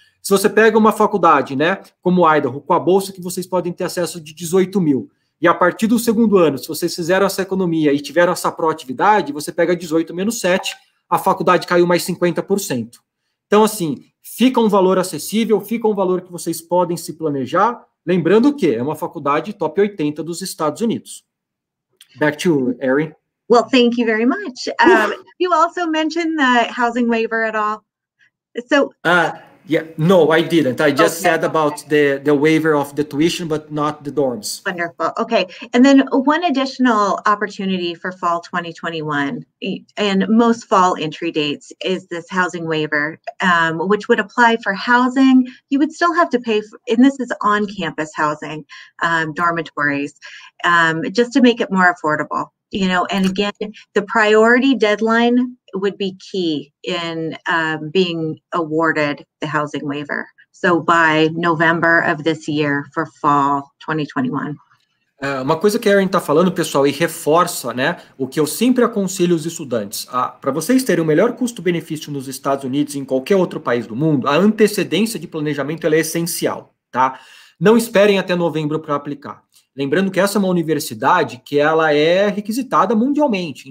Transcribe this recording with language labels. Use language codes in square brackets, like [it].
[pt] Se você pega uma faculdade, né, como Idaho, com a bolsa, que vocês podem ter acesso de $18.000, e a partir do segundo ano, se vocês fizeram essa economia e tiveram essa proatividade, você pega 18 menos 7, a faculdade caiu mais 50%. Então, assim, fica um valor acessível, fica um valor que vocês podem se planejar. Lembrando que é uma faculdade top 80 dos Estados Unidos. [en] Back to Erin. Well, thank you very much. You also mentioned the housing waiver at all. So... Yeah, no, I didn't. I just said about the waiver of the tuition, but not the dorms. Wonderful. Okay. And then one additional opportunity for fall 2021 and most fall entry dates is this housing waiver, which would apply for housing. You would still have to pay for, and this is on-campus housing, dormitories, just to make it more affordable. You know, and again, the priority deadline would be key in being awarded the housing waiver. So by November of this year for fall 2021. [pt] Uma coisa que a Erin está falando, pessoal, e reforça, né, o que eu sempre aconselho os estudantes, para vocês terem o melhor custo-benefício nos Estados Unidos e em qualquer outro país do mundo, a antecedência de planejamento ela é essencial, tá? Não esperem até novembro para aplicar. Lembrando que essa é uma universidade que ela é requisitada mundialmente.